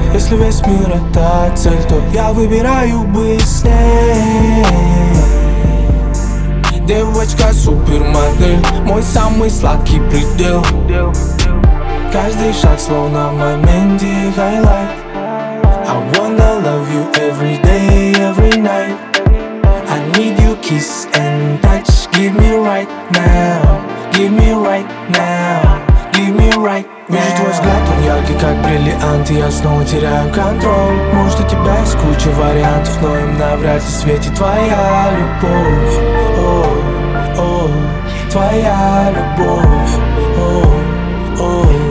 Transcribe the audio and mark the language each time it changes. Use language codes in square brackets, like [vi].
[ru] Если весь мир это цель, то я выбираю быть с ней. Девочка супермодель. Мой самый сладкий предел. Каждый шаг словно момент и highlight. [en] I wanna love you every day, every night. I need you kiss and touch. Give me right now, give me right now, give me right now. [ru] Вижу твой взгляд, он яркий как бриллиант. И я снова теряю контроль. Может, у тебя есть куча вариантов, но им навряд ли светит твоя любовь. О, о, твоя любовь. О, о.